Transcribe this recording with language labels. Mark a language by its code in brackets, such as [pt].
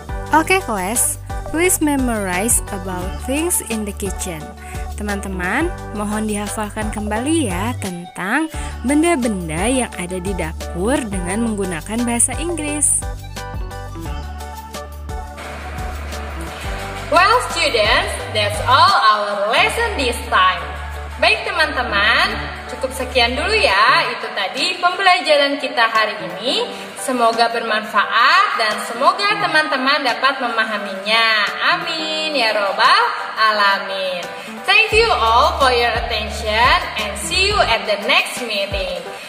[en] Okay, class, please memorize about things in the kitchen. [id] Teman-teman, mohon dihafalkan kembali ya tentang benda-benda yang ada di dapur dengan menggunakan bahasa Inggris. [en] Well, students, that's all our lesson this time. [id] Baik, teman-teman, cukup sekian dulu ya. Itu tadi pembelajaran kita hari ini. Semoga bermanfaat dan semoga teman-teman dapat memahaminya. Amin, ya Robbal Alamin. [en] Thank you all for your attention and see you at the next meeting.